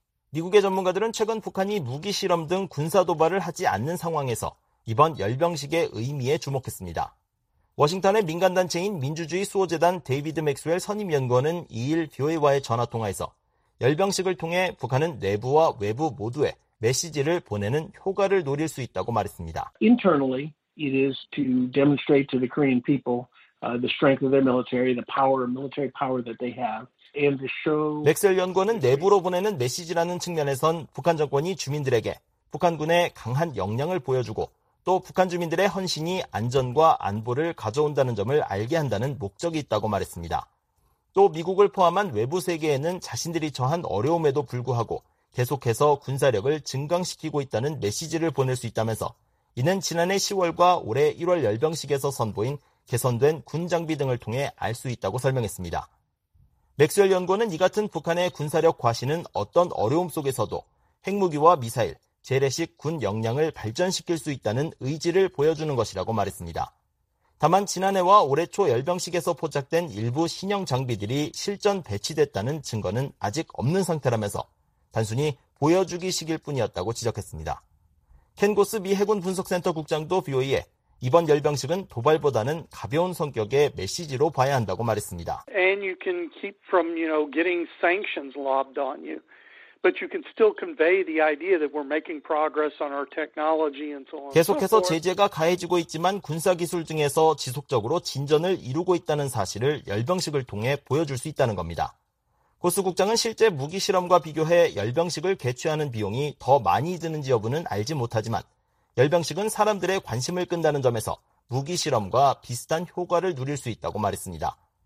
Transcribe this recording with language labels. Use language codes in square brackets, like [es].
[ko] 미국의 전문가들은 최근 북한이 무기실험 등 군사도발을 하지 않는 상황에서 이번 열병식의 의미에 주목했습니다. 워싱턴의 민간단체인 민주주의 수호재단 데이비드 맥스웰 선임연구원은 2일 BOA와의 전화통화에서 열병식을 통해 북한은 내부와 외부 모두에 메시지를 보내는 효과를 노릴 수 있다고 말했습니다. [en] Internally, it is to demonstrate to the Korean people the strength of their military, the power, military power that they have, and to show. [ko] 맥스웰 연구원은 내부로 보내는 메시지라는 측면에선 북한 정권이 주민들에게 북한군의 강한 역량을 보여주고 또 북한 주민들의 헌신이 안전과 안보를 가져온다는 점을 알게 한다는 목적이 있다고 말했습니다. 또 미국을 포함한 외부 세계에는 자신들이 처한 어려움에도 불구하고 계속해서 군사력을 증강시키고 있다는 메시지를 보낼 수 있다면서 이는 지난해 10월과 올해 1월 열병식에서 선보인 개선된 군 장비 등을 통해 알 수 있다고 설명했습니다. 맥스웰 연구원은 이 같은 북한의 군사력 과시는 어떤 어려움 속에서도 핵무기와 미사일, 재래식 군 역량을 발전시킬 수 있다는 의지를 보여주는 것이라고 말했습니다. 다만 지난해와 올해 초 열병식에서 포착된 일부 신형 장비들이 실전 배치됐다는 증거는 아직 없는 상태라면서 단순히 보여주기식일 뿐이었다고 지적했습니다. 켄고스 미 해군 분석센터 국장도 BOA에 이번 열병식은 도발보다는 가벼운 성격의 메시지로 봐야 한다고 말했습니다. [en] And you can keep from, you know, getting sanctions lobbed on you. But you can still convey the idea that we're making progress on our technology and so on. [ko] 계속해서 제재가 가해지고 있지만 군사 기술 중에서 지속적으로 진전을 이루고 있다는 사실을 열병식을 통해 보여줄 수 있다는 겁니다. 고스 국장은 실제 무기 실험과 비교해 열병식을 개최하는 비용이 더 많이 드는지 여부는 알지 못하지만 열병식은 사람들의 관심을 끈다는 점에서 무기 실험과 비슷한 효과를 누릴 수 있다고 말했습니다.